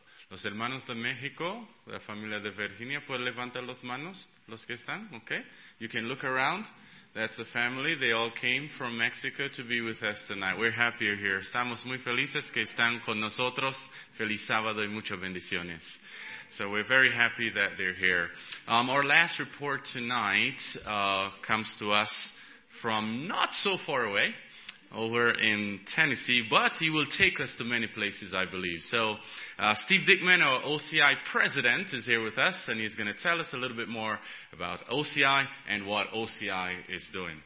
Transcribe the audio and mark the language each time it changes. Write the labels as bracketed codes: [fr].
[es] Los hermanos de México, la familia de Virginia, ¿pueden levantar las manos los que están? [en] Okay. You can look around. That's the family. They all came from Mexico to be with us tonight. We're happy you're here. [es] Estamos muy felices que están con nosotros. Feliz sábado y muchas bendiciones. [en] So we're very happy that they're here. Our last report tonight comes to us from not so far away, over in Tennessee, but he will take us to many places, I believe. So Steve Dickman, our OCI president, is here with us, and he's going to tell us a little bit more about OCI and what OCI is doing.